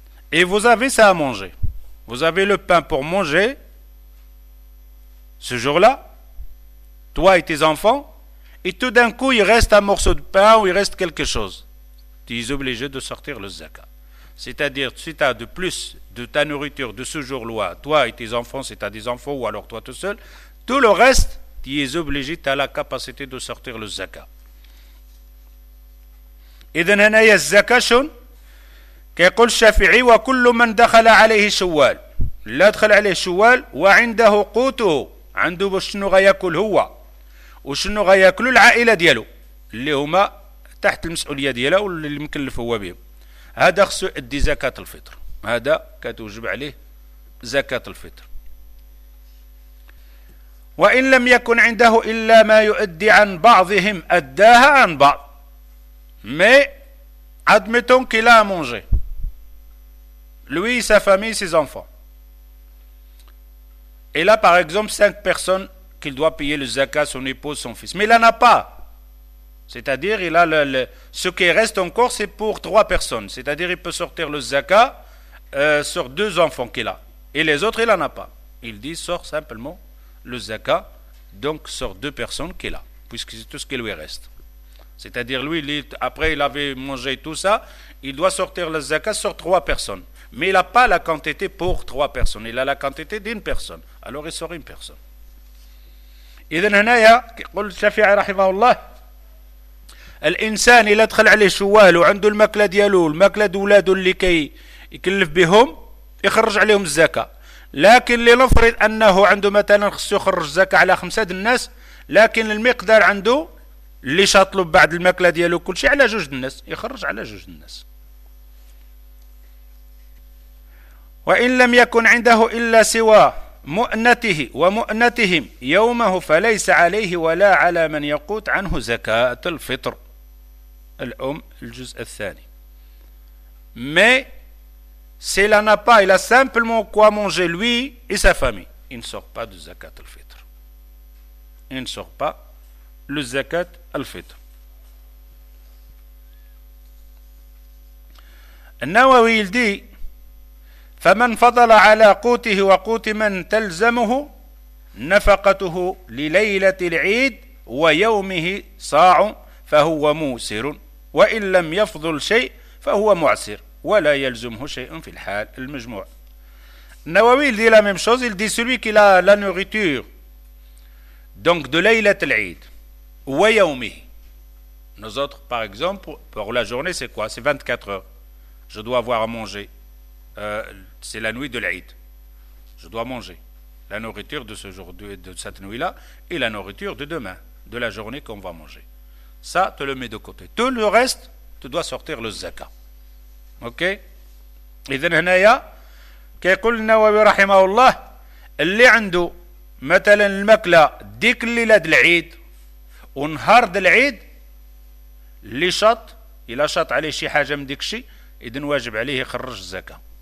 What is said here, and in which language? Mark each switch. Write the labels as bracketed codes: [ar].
[fr] Et vous avez ça à manger. Vous avez le pain pour manger ce jour-là, toi et tes enfants, et tout d'un coup, il reste un morceau de pain ou il reste quelque chose. Tu es obligé de sortir le zakat. C'est-à-dire, si tu as de plus de ta nourriture de ce jour-là, toi et tes enfants, si tu as des enfants ou alors toi tout seul, tout le reste, tu es obligé, tu as la capacité de sortir le zakat. Idan hana ya zakashun. [ar] كيقول الشافعي وكل من دخل عليه شوال لا دخل عليه شوال وعنده قوته عنده شنو غياكل هو وشنو غياكلوا العائلة ديالو اللي هما تحت المسؤولية دياله واللي مكلف هو بهم هذا خصو يدي زكاة الفطر هذا كتوجب عليه زكاة الفطر وإن لم يكن عنده إلا ما يؤدي عن بعضهم أداها عن بعض مي [fr] admettons qu'il a à manger. Lui, sa famille, ses enfants. Et là, par exemple, 5 personnes qu'il doit payer le zakat, son épouse, son fils. Mais il n'en a pas. C'est-à-dire, il a ce qui reste encore, c'est pour 3 personnes. C'est-à-dire, il peut sortir le zakat sur 2 enfants qu'il a. Et les autres, il n'en a pas. Il dit, sort simplement le zakat, donc sur 2 personnes qu'il a, puisque c'est tout ce qui lui reste. C'est-à-dire, lui, après, il avait mangé tout ça, il doit sortir le zakat sur 3 personnes. Mais il n'a pas la quantité pour 3 personnes. Il a la quantité d'une personne. Alors il sort une personne. [ar] إذن هنا يقول الشافعي رحمه الله الإنسان إلا دخل عليه شوال وعنده المكلة ديالو المكلة دولاده اللي كي يكلف بهم يخرج عليهم الزكاة. لكن لنفرض أنه عنده مثلا خصو يخرج الزكاة على 5 الناس لكن المقدار عنده اللي شاطلوا بعد المكلة ديالو كل شيء على 2 الناس يخرج على 2 الناس. وإن لم يكن عنده إلا سوى مؤنته ومؤنتهم يومه فليس عليه ولا على من يقوت عنه زكاة الفطر الأم الجزء الثاني. [fr] Mais s'il n'a pas, il a simplement quoi manger lui et sa famille. Il ne sort pas de زكاة الفطر. Il ne sort pas le زكاة الفطر. [ar] النووي [fr] il dit [ar] فمن فضل على قوته وقوت من تلزمه نفقته لليلة العيد ويومه صاع فهو موسر، وإن لم يفضل شيء فهو معسر ولا يلزمه شيء في الحال. [fr] المجموع النووي دي لا ميم شوز، دي celui qui a la nourriture donc de [ar] ليلة العيد ويومه. [fr] Nous autres par exemple pour la journée c'est quoi, c'est 24 heures je dois avoir à manger, c'est la nuit de l'Eid, je dois manger la nourriture de ce jour, de cette nuit là et la nourriture de demain, de la journée qu'on va manger. Ça, tu le mets de côté. Tout le reste, tu dois sortir le zakat. Ok ? [ar] إذن هنا يا كيقول النووي رحمه الله اللي عنده مثلا المكله ديك الليله ديال العيد ونهار ديال العيد اللي شط الى شط عليه شي حاجه من ديك الشيء، إذن واجب عليه يخرج الزكاه.